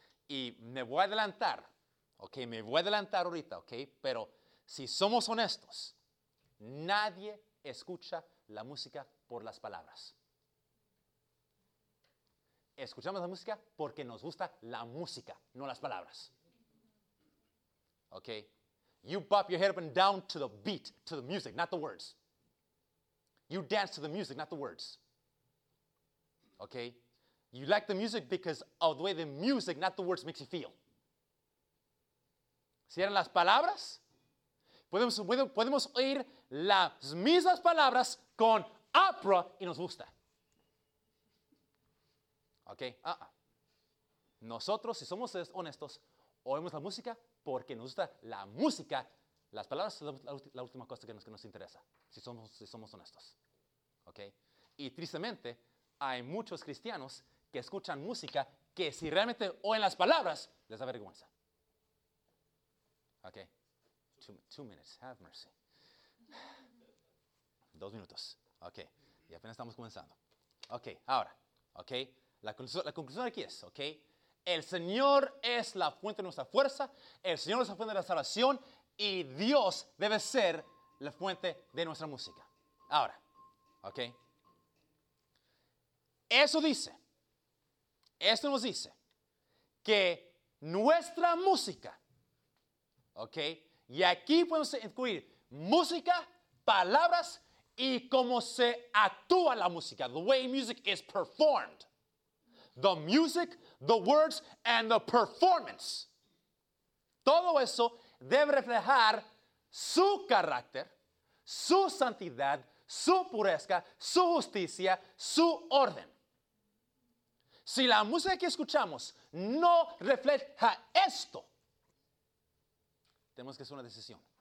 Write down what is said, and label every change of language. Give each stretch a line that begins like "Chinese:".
Spanish: Y me voy a adelantar. Ok, me voy a adelantar ahorita, ok, pero si somos honestos, nadie escucha la música por las palabras. Escuchamos la música porque nos gusta la música, no las palabras.
English: Ok, you bop your head up and down to the beat, to the music, not the words. You dance to the music, not the words. Ok, you like the music because of the way the music, not the words, makes you feel.
Spanish: Si eran las palabras, podemos oír las mismas palabras con opera y nos gusta. Ok, Nosotros, si somos honestos, oímos la música porque nos gusta la música. Las palabras son la última cosa que nos interesa, si somos honestos. Ok, y tristemente, hay muchos cristianos que escuchan música que si realmente oyen las palabras, les da vergüenza.
English: Okay, two minutes, have mercy.
Spanish: 2 minutos, okay, y apenas estamos comenzando. Okay, ahora, okay, la conclusión aquí es, okay, el Señor es la fuente de nuestra fuerza, el Señor es la fuente de la salvación, y Dios debe ser la fuente de nuestra música. Ahora, okay, eso nos dice, que nuestra música, ok, y aquí podemos incluir música, palabras y cómo se actúa la música.
English: The way music is performed. The music, the words, and the performance.
Spanish: Todo eso debe reflejar su carácter, su santidad, su pureza, su justicia, su orden. Si la música que escuchamos no refleja esto, tenemos que hacer una decisión.